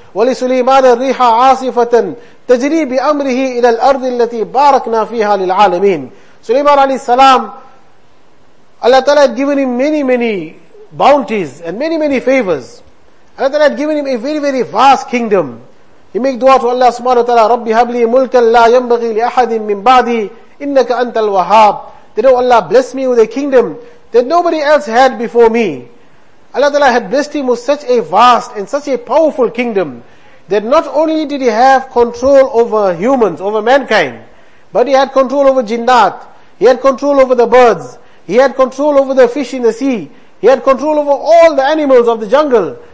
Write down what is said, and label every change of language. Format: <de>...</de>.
<ar>وَلِسُلِيمَانَ الرِّيحَ عَاصِفَةً تَجْرِي بِأَمْرِهِ إِلَى الْأَرْضِ الَّتِي بَارَكْنَا فِيهَا لِلْعَالَمِينَ.</ar> <en>Sulaiman alayhi salam, Allah Ta'ala had given him many, many bounties and many, many favors. Allah Ta'ala had given him a very, very vast kingdom. He made dua to Allah subhanahu wa ta'ala,</en> <ar>رَبِّ هَبْلِي مُلْكًا لَا يَنْبَغِي لِأَحَدٍ مِّن بَعْدِي إِنَّكَ أَنْتَ الْوَهَّابِ.</ar> <en>That, oh Allah, bless me with a kingdom that nobody else had before me. Allah Ta'ala had blessed him with such a vast and such a powerful kingdom that not only did he have control over humans, over mankind, but he had control over jinnat, he had control over the birds, he had control over the fish in the sea, he had control over all the animals of the jungle.</en>